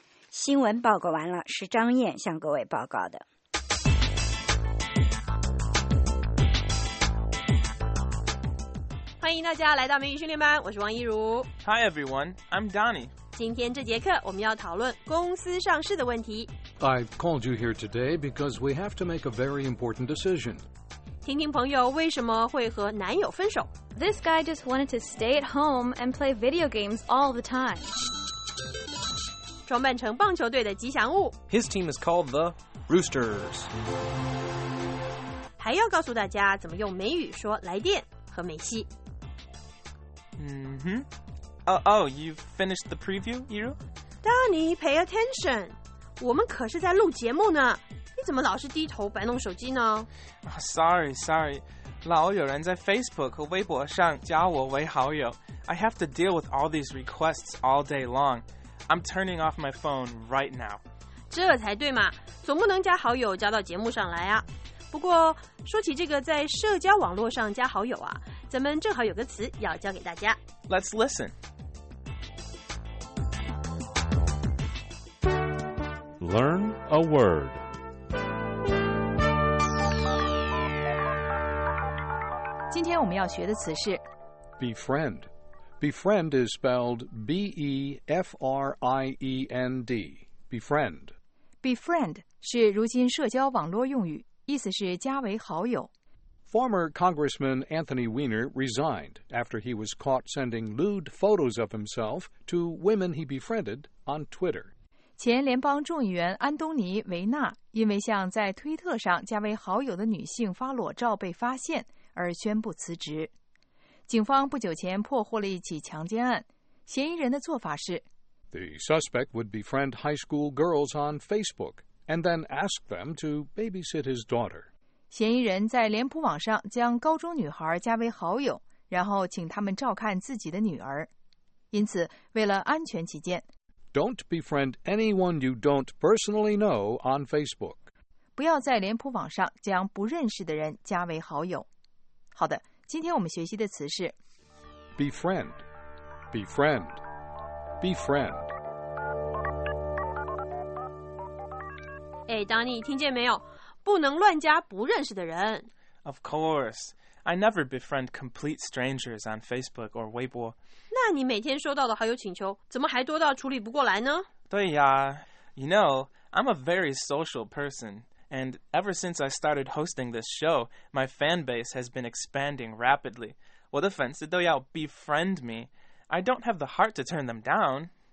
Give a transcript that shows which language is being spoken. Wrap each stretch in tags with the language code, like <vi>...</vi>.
<zh>新闻报告完了，是张燕向各位报告的。欢迎大家来到美语训练班，我是王一如。</zh> <en>Hi everyone, I'm Donnie.</en> <zh>今天这节课我们要讨论公司上市的问题。</zh> <en>I've called you here today because we have to make a very important decision.</en> <zh>听听朋友为什么会和男友分手。</zh> <en>This guy just wanted to stay at home and play video games all the time.</en> <zh>装扮成棒球队的吉祥物。</zh> <en>His team is called the Roosters.</en> <zh>还要告诉大家怎么用美语说来电和梅西。</zh> <en>嗯哼。Oh, you finished the preview, Iru? Donnie, pay attention.</en> <zh>我们可是在录节目呢。你怎么老是低头摆弄手机呢、 Sorry, 老有人在 Facebook 和微博上加我为好友。</zh> <en>I have to deal with all these requests all day long. I'm turning off my phone right now.</en> <zh>这才对嘛，总不能加好友加到节目上来啊。不过说起这个在社交网络上加好友啊，咱们正好有个词要教给大家。</zh> <en>Let's listen. Learn a word.</en> <zh>今天我们要学的词是</zh> <en>befriend. Befriend is spelled B-E-F-R-I-E-N-D. Befriend.</en> <zh>Befriend 是如今社交网络用语，意思是加为好友。</zh> <en>Former Congressman Anthony Weiner resigned after he was caught sending lewd photos of himself to women he befriended on Twitter.</en> <zh>前联邦众议员安东尼·维纳因为向在推特上加为好友的女性发裸照被发现。而宣布辞职。警方不久前破获了一起强奸案，嫌疑人的做法是</zh> <en>The suspect would befriend high school girls on Facebook and then ask them to babysit his daughter.</en> <zh>嫌疑人在脸谱网上将高中女孩加为好友，然后请他们照看自己的女儿。因此，为了安全起见</zh> <en>Don't befriend anyone you don't personally know on Facebook.</en> <zh>不要在脸谱网上将不认识的人加为好友。好的，今天我们学习的词是</zh> <en>befriend, befriend, befriend.</en> <zh>哎 ，</zh> <en>Donnie，</en> <zh>听见没有？不能乱加不认识的人。</zh> <en>Of course, I never befriend complete strangers on Facebook or Weibo.</en> <zh>那你每天收到的好友请求，怎么还多到处理不过来呢？对呀</zh> <en>，You know, I'm a very social person. And ever since I started hosting this show, my fan base has been expanding rapidly.</en> <zh>我的粉丝都要</zh> <en>befriend me. I don't have the heart to turn them down.</en>